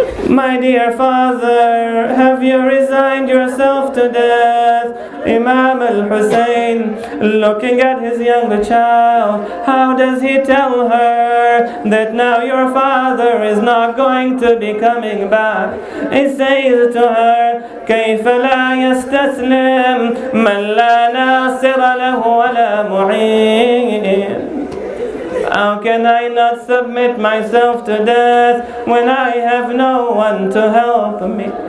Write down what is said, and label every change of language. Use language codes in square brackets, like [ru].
[en] My dear father, have you resigned yourself to death? Imam al-Hussein, looking at his younger child, how does he tell her that now your father is not going to be coming back? He says to her, [ar] كَيْفَ لَا يَسْتَسْلِمْ مَنْ لَا نَاصِرَ لَهُ وَلَا مُعِينٍ. [en] How can I not submit myself to death when I have no one to help me?